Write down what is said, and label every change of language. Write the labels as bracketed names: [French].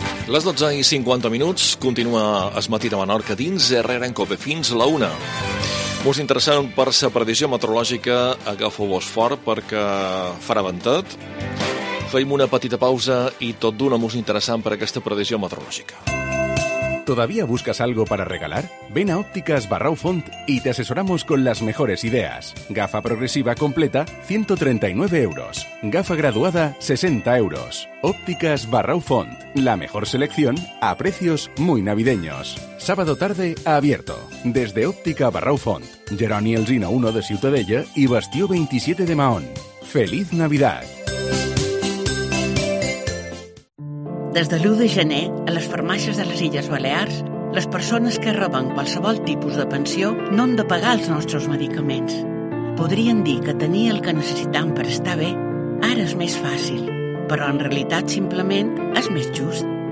[Catalan] Les 12 i 50 minuts, continua Es Matí de Menorca dins, Herrera en Cope fins la 1. Us interessant per la predició meteorològica, agafeu-vos fort perquè farà ventet. Feim una petita pausa i tot d'una mos interessant per aquesta predició meteorològica. [Spanish] ¿Todavía buscas algo para regalar? Ven a Ópticas Barrau Font y te asesoramos con las mejores ideas. Gafa progresiva completa, 139 euros. Gafa graduada, 60 euros. Ópticas Barrau Font, la mejor selección a precios muy navideños. Sábado tarde, abierto. Desde Óptica Barrau Font, Jeroni Elsina 1 de Ciutadella y Bastió 27 de Mahón. ¡Feliz Navidad! [Catalan] Des de l'1 de gener, a les farmàcies de les Illes Balears, les persones que reben qualsevol tipus de pensió no han de pagar els nostres medicaments. Podrien dir que tenir el que necessitem per estar bé ara és més fàcil, però en realitat simplement és més just.